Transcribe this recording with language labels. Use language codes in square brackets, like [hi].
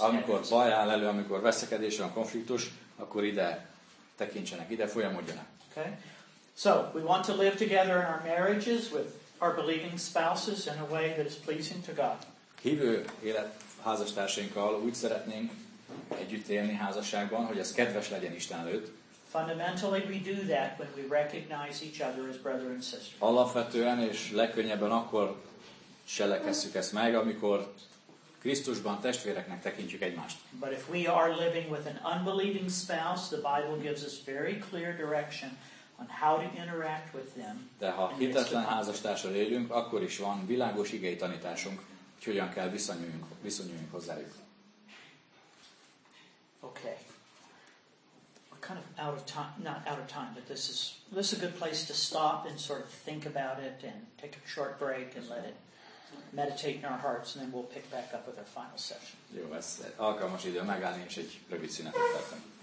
[hu] Amikor baj áll elő, amikor veszekedés van, konfliktus, akkor ide tekintsenek, ide folyamodjanak. [en] Okay. So we want to live together in our marriages with our believing spouses in a way that is pleasing to God. [hu] Hívő élet házastársainkkal úgy szeretnénk együtt élni házasságban, hogy ez kedves legyen Isten előtt. [en] Fundamentally we do that when we recognize each other as brother and sister. [hu] Alapvetően és legkönnyebben akkor cselekszük ezt meg, amikor Krisztusban testvéreknek tekintjük egymást. [en] But if we are living with an unbelieving spouse, the Bible gives us very clear direction on how to interact with them. [hu] De ha hitetlen házastársal élünk, akkor is van világos igei tanításunk, hogy hogyan kell viszonyuljunk hozzájuk. [en] Okay. Kind of out of time, not out of time, but this is a good place to stop and sort of think about it and take a short break and let it meditate in our hearts, and then we'll pick back up with our final session. [hu] Jó, ez alkalmas idő megállni és egy rövid szünetet tartani.